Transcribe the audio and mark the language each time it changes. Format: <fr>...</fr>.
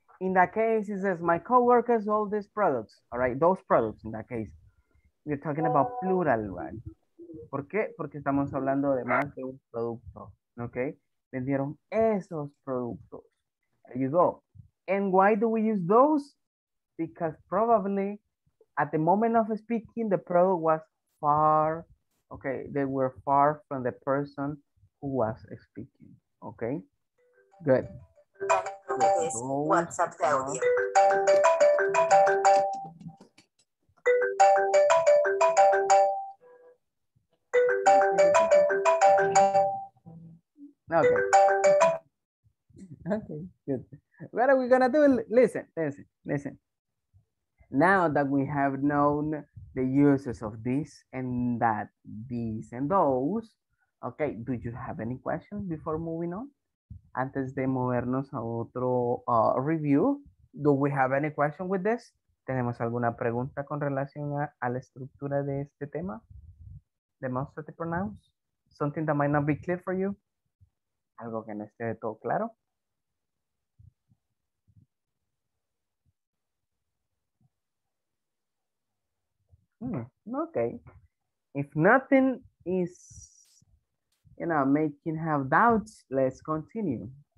<en>In that case, it says my co-workers sold these products. All right, those products in that case. We're talking about plural, right?</en> <es>¿Por qué? Porque estamos hablando de más de un producto, okay? Vendieron esos productos.</es> <en>There you go. And why do we use those? Because probably at the moment of speaking, the product was far, okay? They were far from the person who was speaking, okay? Good. What's up, Claudia? Okay, good. What are we gonna do? Listen. Now that we have known the uses of this and that, these and those, okay, do you have any questions before moving on?</en> <es>Antes de movernos a otro</es> <en>review, do we have any question with this?</en> <es>¿Tenemos alguna pregunta con relación a la estructura de este tema?</es> <en>Demonstrative pronouns? Something that might not be clear for you?</en> <es>¿Algo que no esté de todo claro?</es> <en>Okay. If nothing is, you know, making have doubts, let's continue.</en>